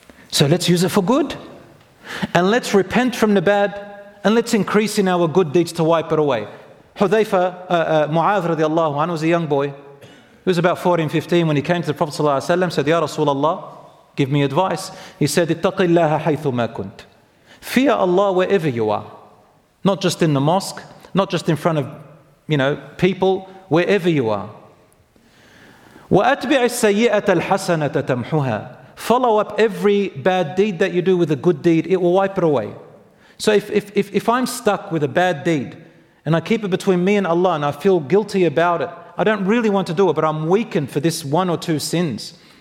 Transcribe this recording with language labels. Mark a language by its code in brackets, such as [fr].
[en] So let's use it for good, and let's repent from the bad, and let's increase in our good deeds to wipe it away. Hudhayfa, Mu'adh radiallahu anhu, was a young boy. He was about 14, 15 when he came to the Prophet sallallahu alayhi wa sallam, said, Ya Rasulallah, give me advice. He said, [ar] اتَّقِ اللَّهَ حَيْثُ مَا كُنْتَ. [en] Fear Allah wherever you are. Not just in the mosque, not just in front of, you know, people, wherever you are. [ar] وَأَتْبِعِ السَّيِّئَةَ الْحَسَنَةَ تَمْحُهَا. [en] Follow up every bad deed that you do with a good deed, it will wipe it away. So if I'm stuck with a bad deed, and I keep it between me and Allah, and I feel guilty about it, I don't really want to do it, but I'm weakened for this one or two sins,